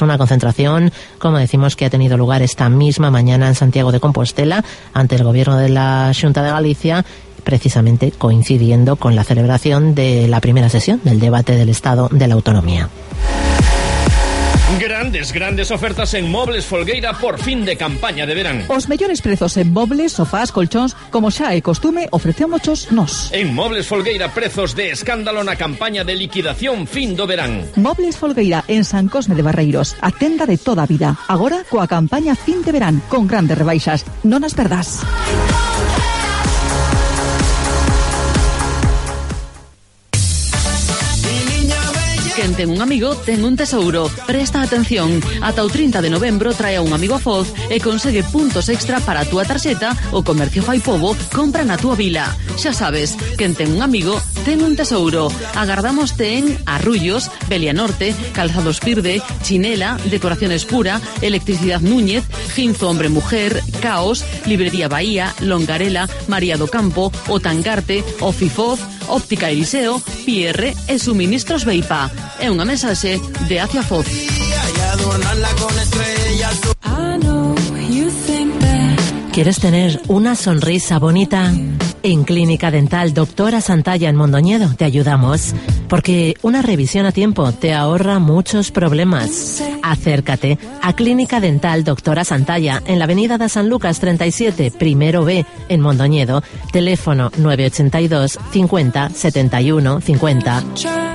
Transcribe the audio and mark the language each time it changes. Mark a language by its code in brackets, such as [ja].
[es] Una concentración, como decimos, que ha tenido lugar esta misma mañana en Santiago de Compostela, ante el Gobierno de la Xunta de Galicia, precisamente coincidiendo con la celebración de la primera sesión del debate del Estado de la Autonomía. [gl] Grandes, grandes ofertas en Mobles Folgueira, por fin de campaña de verán. Os mellores prezos en mobles, sofás, colchóns, como xa é costume, ofrecemos nos. En Mobles Folgueira, prezos de escándalo na campaña de liquidación fin do verán. Mobles Folgueira, en San Cosme de Barreiros, a tenda de toda a vida. Agora, coa campaña fin de verán, con grandes rebaixas. Non as perdás. Quen ten un amigo, ten un tesouro. Presta atención. Ata o 30 de novembro trae a un amigo a Foz e consegue puntos extra para a túa tarxeta o Comercio Fai Pobo compra na túa vila. Xa sabes, quen ten un amigo, ten un tesouro. Agardámoste en Arrullos, Belianorte, Calzados Pirde, Chinela, Decoraciones Pura, Electricidad Núñez, Ginzo Hombre Mujer, Caos, Librería Bahía, Longarela, María do Campo, Otangarte, Ofifoz, Óptica Eliseo, Pierre e Suministros Beipa. É unha mensaxe de Hacia Foz. [es] ¿Quieres tener una sonrisa bonita? En Clínica Dental Doctora Santalla en Mondoñedo te ayudamos, porque una revisión a tiempo te ahorra muchos problemas. Acércate a Clínica Dental Doctora Santalla en la Avenida de San Lucas 37, primero B, en Mondoñedo, teléfono 982-50-71-50.